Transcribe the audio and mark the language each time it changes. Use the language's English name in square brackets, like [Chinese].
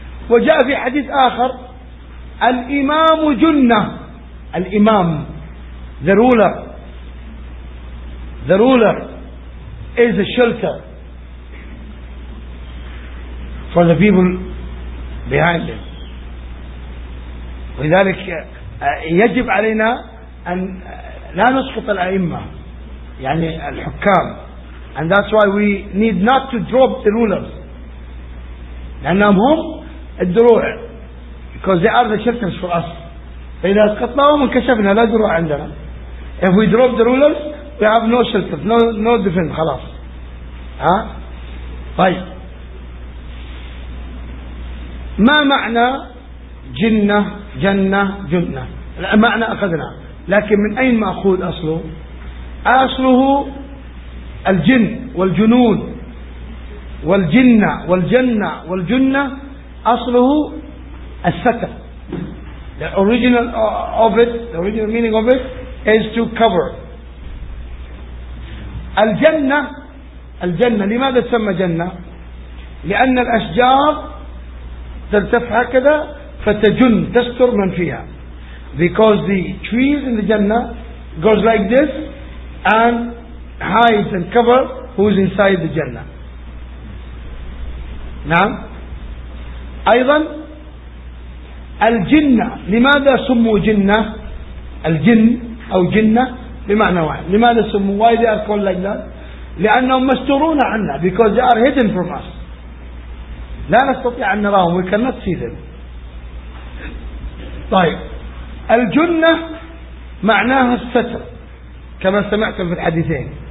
[Arabic] وجاء في حديث آخر الإمام جنة. [English] الإمام the ruler. The ruler is a shelter for the people behind him. [Arabic] ولذلك يجب علينا أن لا نسقط الأئمة يعني الحكام. [English] And that's why we need not to drop the rulers [Arabic] لأنهم هم الدروع. [English] Because they are the shelters for us. [Arabic] فإذا سقطناهم انكشفنا لا دروع عندنا. [English] If we drop the rulers we have no shelters, no defense. [Arabic] خلاص ها طيب ما معنى جنة جنة جنة؟ المعنى أخذناه لكن من أين مأخوذ أصله؟ أصله الجن والجنود والجنة والجنة والجنة أصله الستر. [English] The original of it, the original meaning of it is to cover. [Arabic] الجنة الجنة لماذا تسمى جنة؟ لأن الأشجار ترتفع كذا فتجن تستر من فيها. [English] Because the trees in the Jannah goes like this and hides and covers who's inside the Jannah. [Arabic] نعم أيضا الجنة لماذا سموا جنة؟ الجن أو جنة بمعنى واحد. لماذا سموا؟ [English] Why they are called like that؟ [Arabic] لأنهم مستورون عنا. [English] Because they are hidden from us. [Arabic] لا نستطيع أن نراهم. [English] We cannot see them. [Arabic] طيب الجنة معناها الستر كما سمعتم في الحديثين.